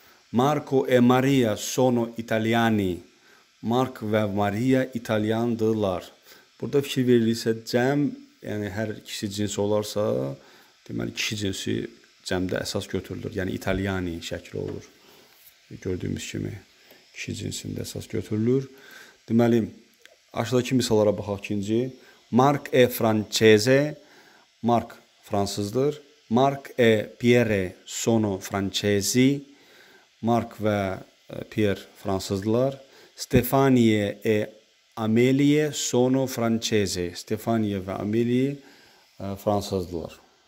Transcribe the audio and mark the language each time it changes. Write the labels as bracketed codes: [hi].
[it] Marco e Maria sono italiani. [az] Mark və Maria italiandırlar. Burada fikir verilirsə cəm, yəni hər kişi cinsi olarsa, deməli kişi cinsi cəmdə əsas götürülür. Yəni italiani şəkli olur. Gördüyümüz kimi kişi cinsində əsas götürülür. Deməli aşağıdakı misallara baxaq ikinci. [it] Mark è francese. [az] Mark fransızdır. [it] Mark e Pierre sono francesi. [az] Mark və Pierre fransızdılar. [it] Stefanie e Amelie sono francese. [az] Stefanie və Amelie fransızdılar.